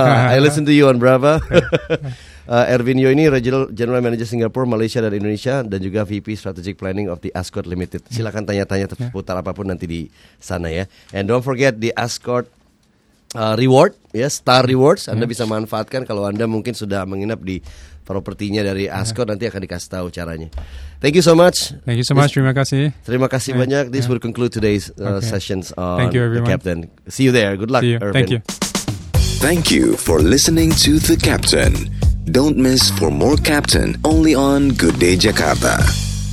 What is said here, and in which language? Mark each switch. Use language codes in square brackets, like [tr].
[en] I listen to you on Brava. Irvin Yu ini Regional General Manager Singapore, Malaysia dan Indonesia, dan juga VP Strategic Planning of the Ascor Limited. [id] Silakan tanya-tanya seputar apapun nanti di sana ya. [en] And don't forget the Ascor reward, Star Rewards. [id] Anda bisa manfaatkan kalau Anda mungkin sudah menginap di propertinya dari Ascor, nanti akan dikasih tahu caranya. [en] Thank you so much. Thank you so much. [id] Terima kasih. Terima kasih banyak. [en] This will conclude today's sessions on Thank you, The Captain. See you there. Good luck, Irvin. Thank you. Thank you for listening to The Captain. Don't miss for more Captain only on Good Day Jakarta.